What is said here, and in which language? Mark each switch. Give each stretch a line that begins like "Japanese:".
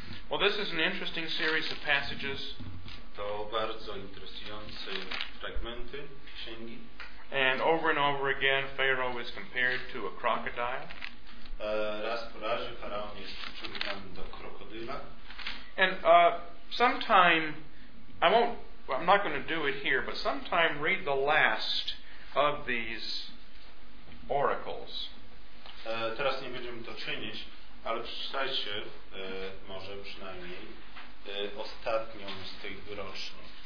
English: Well, this is an interesting series of passages.
Polish: To bardzo interesujące fragmenty księgi.
English: And over and over again, Pharaoh is compared to a crocodile.
Polish: Raz po razie faraon jest przyrównany do krokodyla.
English: And sometime, I'm not going to do it here, but sometime read the last of these oracles.
Polish: Teraz nie będziemy to czynić. Ale przeczytajcie może przynajmniej ostatnią z tych wyroczni.